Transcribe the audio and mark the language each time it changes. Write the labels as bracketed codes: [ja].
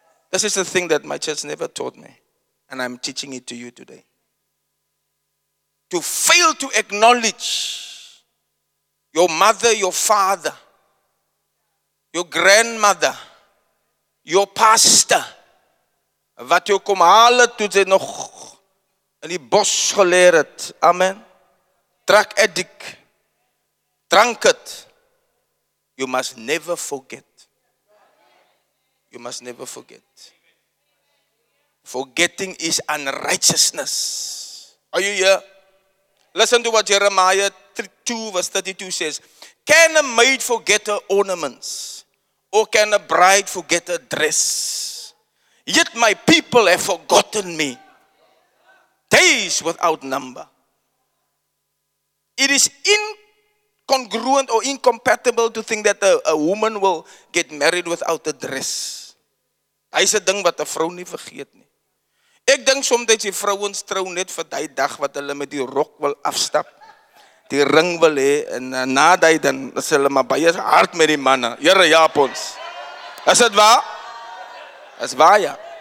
[en] This is the thing that my church never taught me. And I'm teaching it to you today. To fail to acknowledge your mother, your father, your grandmother, your pastor. [af] Wat jou kom haal het toe jy nog in die bos geleer het. [en] Amen. Drug addict. Drunkard. You must never forget. You must never forget. Forgetting is unrighteousness. Are you here? Listen to what Jeremiah 2 verse 32 says. Can a maid forget her ornaments? Or can a bride forget her dress? Yet my people have forgotten me. Days without number. It is incongruent or incompatible to think that a woman will get married without a dress. [af] Hy sê ding wat 'n vrou nie vergeet nie. Ek dink soms die vrouens trou net vir daai dag wat hulle met die rok wil afstap, die ring wil hê en na daai dan is hulle maar baie hard met die manne. Here help ons. Is dit waar? Is waar ja.